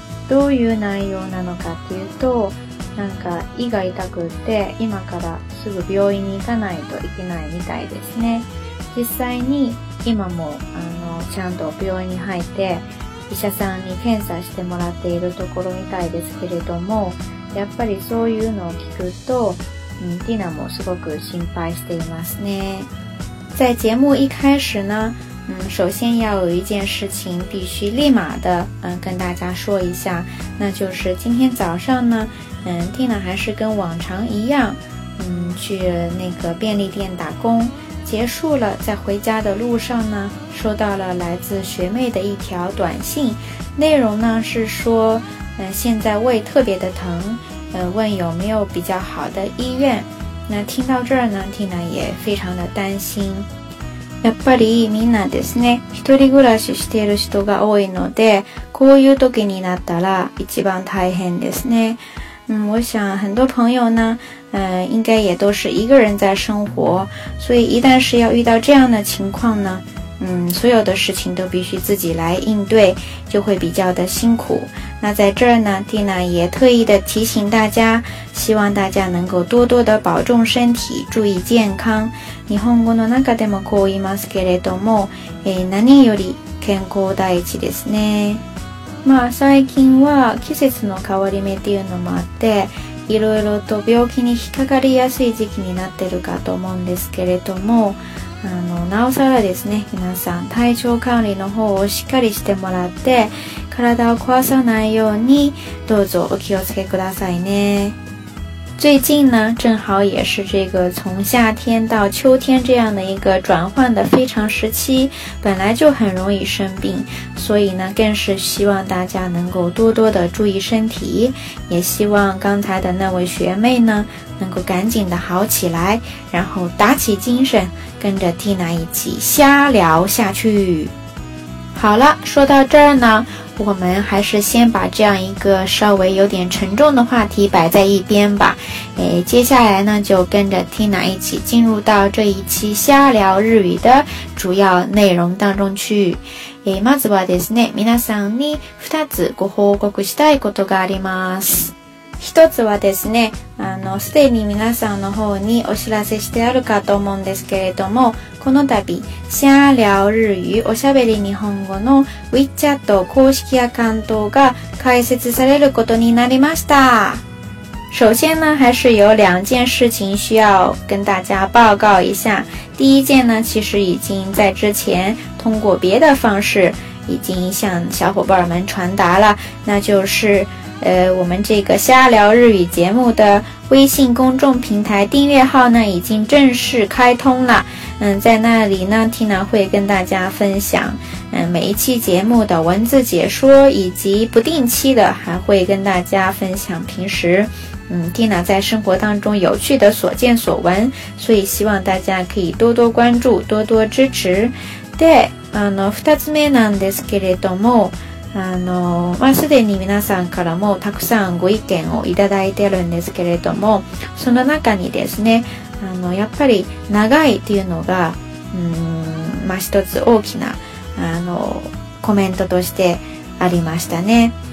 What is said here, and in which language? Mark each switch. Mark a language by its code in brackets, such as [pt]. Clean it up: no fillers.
[ja] どういう内容なのかっていうと、なんか胃が痛くって今からすぐ病院に行かないといけないみたいですね。実際に今もちゃんと病院に入って医者さんに検査してもらっているところみたいですけれども、やっぱりそういうのを聞くと、ティナもすごく心配していますね。 [zh] 在节目一开始呢，首先要有一件事情必须立马的跟大家说一下，那就是今天早上呢，ティナ还是跟往常一样，去那个便利店打工。结束了，在回家的路上呢，收到了来自学妹的一条短信，内容呢是说，现在胃特别的疼，问有没有比较好的医院。那听到这儿呢，ティナ也非常的担心。 [ja] やっぱりみんなですね、一人暮らししている人が多いので、こういう時になったら一番大変ですね。 [zh] 我想很多朋友呢，应该也都是一个人在生活，所以一旦是要遇到这样的情况呢，所有的事情都必须自己来应对，就会比较的辛苦。那在这儿呢，蒂娜也特意的提醒大家，希望大家能够多多的保重身体，注意健康。 [ja] 日本語の中でもこう言いますけれども、何より健康第一ですね。まあ最近は季節の変わり目っていうのもあって、いろいろと病気に引っかかりやすい時期になってるかと思うんですけれども、なおさらですね、皆さん体調管理の方をしっかりしてもらって、体を壊さないようにどうぞお気をつけくださいね。 [zh] 最近呢，正好也是这个从夏天到秋天这样的一个转换的非常时期，本来就很容易生病，所以呢，更是希望大家能够多多的注意身体，也希望刚才的那位学妹呢，能够赶紧的好起来，然后打起精神，跟着 Tina 一起瞎聊下去。好了，说到这儿呢，我们还是先把这样一个稍微有点沉重的话题摆在一边吧。接下来呢，就跟着 Tina 一起进入到这一期瞎聊日语的主要内容当中去。 [ja] まずはですね、皆さんに2つご報告したいことがあります。一つはですね、すでに皆さんの方にお知らせしてあるかと思うんですけれども、この度、シャーリャオ日語おしゃべり日本語の WeChat 公式アカウントが開設されることになりました。 [zh] 首先呢，还是有两件事情需要跟大家报告一下。第一件呢，其实已经在之前通过别的方式已经向小伙伴们传达了，那就是我们这个瞎聊日语节目的微信公众平台订阅号呢已经正式开通了。在那里呢 Tina 会跟大家分享每一期节目的文字解说，以及不定期的还会跟大家分享平时Tina 在生活当中有趣的所见所闻，所以希望大家可以多多关注多多支持。 [ja] で、2つ目なんですけれども、すでに皆さんからもたくさんご意見をいただいてるんですけれども、その中にですね、やっぱり長いっていうのが一つ大きなコメントとしてありましたね。